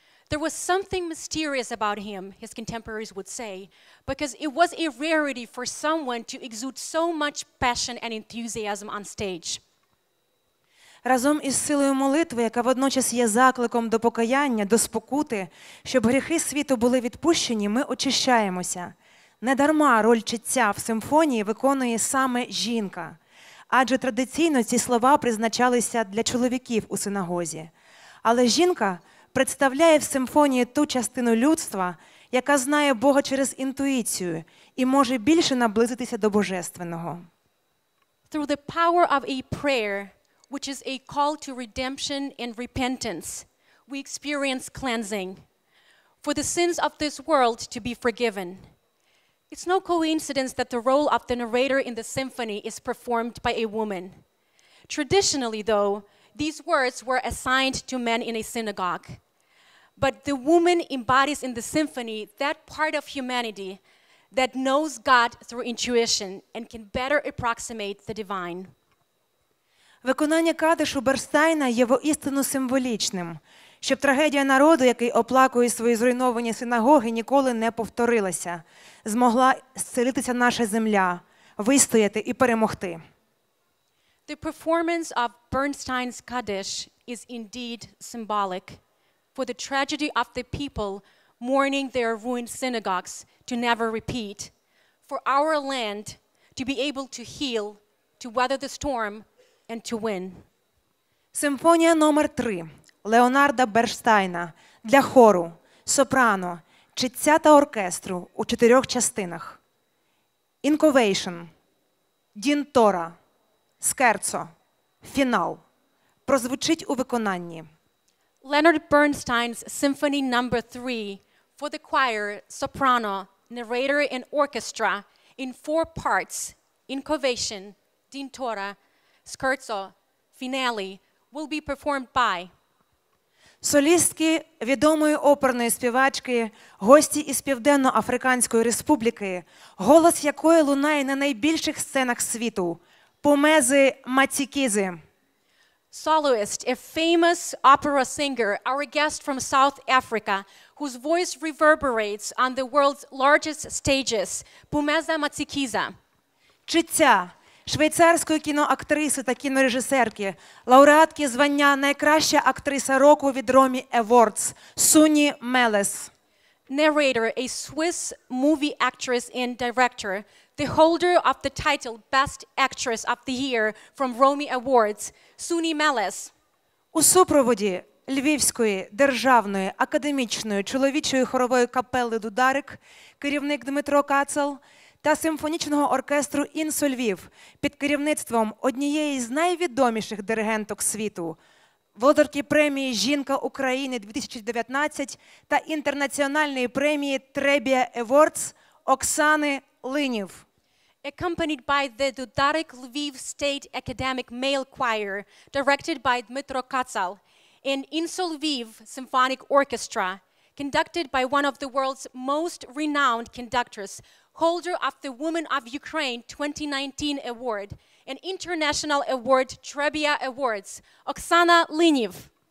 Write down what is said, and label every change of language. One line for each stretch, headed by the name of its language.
English: There was something mysterious about him, his contemporaries would say, because it was a rarity for someone to exude so much passion and enthusiasm on stage.
Ukrainian: Разом із силою молитви, яка водночас є закликом до покаяння, до спокути, щоб гріхи світу були відпущені, ми очищаємося. Недарма роль чиття в симфонії виконує саме жінка. Адже традиційно ці слова призначалися для чоловіків у синагозі. Але жінка представляє в симфонії ту частину людства, яка знає Бога через інтуїцію і може більше наблизитися до Божественного.
English: Through the power of a prayer, which is a call to redemption and repentance, we experience cleansing, for the sins of this world to be forgiven. It's no coincidence that the role of the narrator in the symphony is performed by a woman. Traditionally, though, these words were assigned to men in a synagogue. But the woman embodies in the symphony that part of humanity that knows God through intuition and can better approximate the divine.
Ukrainian: Виконання кадишу Берстайна є воістину символічним, щоб трагедія народу, який оплакує свої зруйновані синагоги, ніколи не повторилася, змогла зцілитися наша земля, вистояти і перемогти.
English: The performance of Bernstein's Kaddish is indeed symbolic for the tragedy of the people mourning their ruined synagogues to never repeat, for our land to be able to heal, to weather the storm, and to win.
Ukrainian: Симфонія номер 3 Леонарда Берштайна для хору, сопрано, чиття та оркестру у чотирьох частинах. Інковейшн, дінтора, скерцо, фінал, прозвучить у виконанні.
English: Leonard Bernstein's Symphony No. 3 for the choir, soprano, narrator and orchestra in four parts, Incovation, Dintora, Scherzo, Finale, will be performed by
Ukrainian: солістки відомої оперної співачки, гості із Південно-Африканської Республіки, голос якої лунає на найбільших сценах світу, Помези Мацікізи.
English: Soloist, a famous opera singer, our guest from South Africa, whose voice reverberates on the world's largest stages, Pumeza Matsikiza.
Ukrainian: Чиття, швейцарської кіноактриси та кінорежисерки, лауреатки звання «Найкраща актриса року» від Romy Awards Суні Мелес.
English: Narrator, a Swiss movie actress and director, the holder of the title Best Actress of the Year from Romy Awards, Суні Мелес.
Ukrainian: У супроводі Львівської державної академічної чоловічої хорової капели «Дударик» керівник Дмитро Кацел та симфонічного оркестру «Інсу Львів» під керівництвом однієї з найвідоміших диригенток світу, володарки премії «Жінка України 2019» та інтернаціональної премії «Требія Awards» Оксани Линів.
English: Accompanied by the Dudarik Lviv State Academic Male Choir, directed by Dmitro Kacal, and Insu Lviv Symphonic Orchestra, conducted by one of the world's most renowned conductors, holder of the Woman of Ukraine 2019 Award, and International Award Trebia Awards, Оксана Линів.